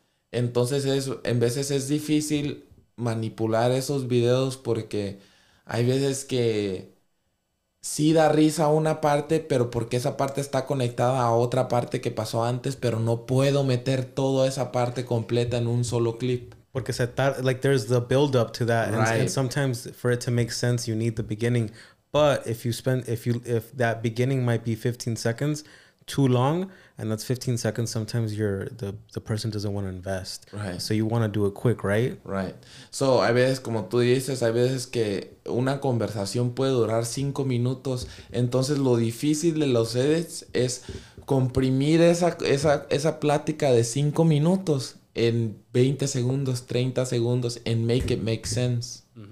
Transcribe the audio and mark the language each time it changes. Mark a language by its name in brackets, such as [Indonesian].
[Spanish] Entonces, en veces es difícil manipular esos videos porque hay veces que sí da risa una parte, pero porque esa parte está conectada a otra parte que pasó antes, pero no puedo meter toda esa parte completa en un solo clip. Porque se tarda, [English] like there's the build up to that, and Right. sometimes for it to make sense, you need the beginning. But if that beginning might be 15 seconds too long, and that's 15 seconds, sometimes the person doesn't want to invest. Right. So you want to do it quick, right? Right. [Spanish] So, hay veces, como tú dices, hay veces que una conversación puede durar 5 minutos. Entonces, lo difícil de los edits es comprimir esa plática de 5 minutos en 20 segundos, 30 segundos, en [English] make it make sense.